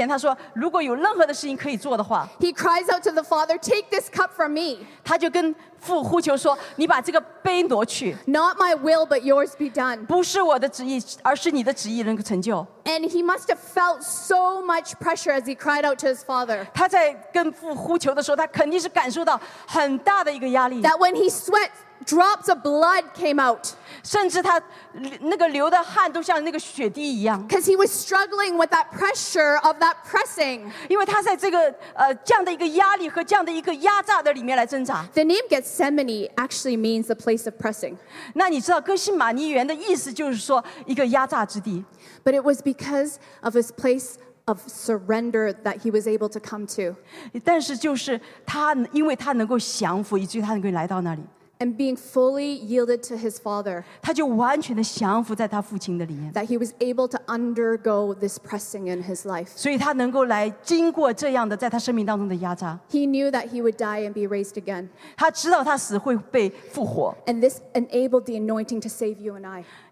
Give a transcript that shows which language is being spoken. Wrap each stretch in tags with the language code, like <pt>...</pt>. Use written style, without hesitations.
<zh>就是当他死的时候，当他死以前，他说，如果有任何的事情可以做的话。</zh> <en>He cries out to the Father, "Take this cup from me."</en> <zh>他就跟</zh> <en>Not my will, but yours be done.</en> <zh>不是我的旨意，而是你的旨意能够成就。</zh> <en>And he must have felt so much pressure as he cried out to his father.</en> <zh>他在跟父呼求的时候，他肯定是感受到很大的一个压力。</zh> <en>That when he sweat, drops of blood came out.</en> <zh>甚至他那个流的汗都像那个血滴一样。</zh> <en>Because he was struggling with that pressure of that pressing.</en> <zh>因为他在这个这样的一个压力和这样的一个压榨的里面来挣扎。</zh> <en>The name Gethsemane actually means the place of pressing.</en> <zh>那你知道哥西马尼园的意思就是说一个压榨之地。</zh> <en>But it was because of his place of surrender that he was able to come to.</en> <zh>但是就是他因为他能够降服，以至于他能够来到那里。</zh> <en>And being fully yielded to his father. That he was able to undergo this pressing in his life. He knew that he would die and be raised again. And this enabled the anointing to save you and I.</en>